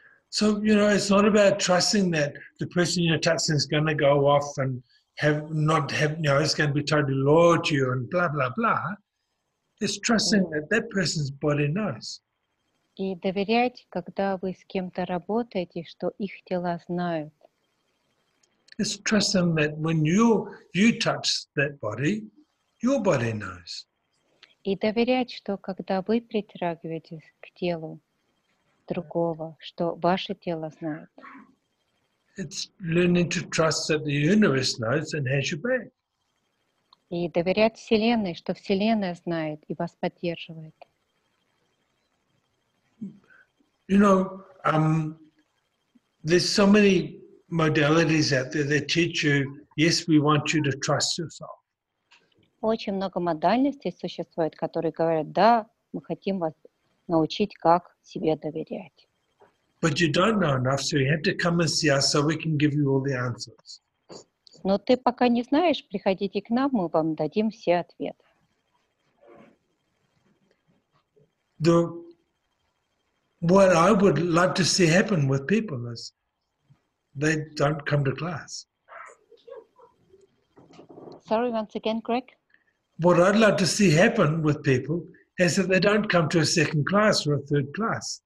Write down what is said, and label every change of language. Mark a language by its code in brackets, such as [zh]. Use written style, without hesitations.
[en] So you know, it's not about trusting that the person you're touching is going to go off and. It's going to be totally loyal to you and blah blah blah. It's trusting that person's body knows. [ru] И доверять, когда вы с кем-то работаете, что их тела знают. [en] It's trusting that when you touch that body, your body knows. [ru] И доверять, что когда вы притрагиваетесь к телу другого, что ваше тело знает. [en] It's learning to trust that the universe knows and has your back. [ru] И доверять Вселенной, что Вселенная знает и вас поддерживает. [en] You know, there's so many modalities out there that teach you, yes, we want you to trust yourself. [ru] Очень много модальностей существует, которые говорят, да, мы хотим вас научить, как себе доверять. [en] But you don't know enough, so you have to come and see us so we can give you all the answers. [ru] Но ты пока не знаешь, приходите к нам, мы вам дадим все ответы. [en] What I would love to see happen with people is they don't come to class. Sorry, once again, Greg. What I'd love to see happen with people is that they don't come to a second class or a third class.